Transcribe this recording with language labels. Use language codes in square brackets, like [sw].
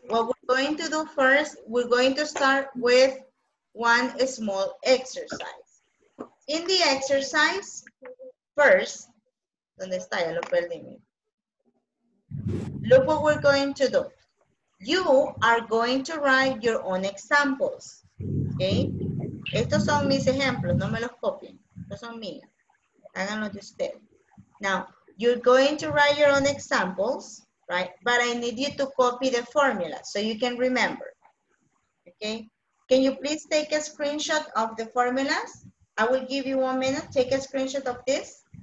[en] What we're going to do first, we're going to start with one small exercise. In the exercise, first, [es] ¿dónde está? Ya lo perdí. [en] Look what we're going to do. You are going to write your own examples. Okay? [es] Estos son mis ejemplos, no me los copien. Estos son míos. Háganlo de usted. [en] Now, you're going to write your own examples, right? But I need you to copy the formula so you can remember. Okay? Can you please take a screenshot of the formulas? I will give you 1 minute. Take a screenshot of this.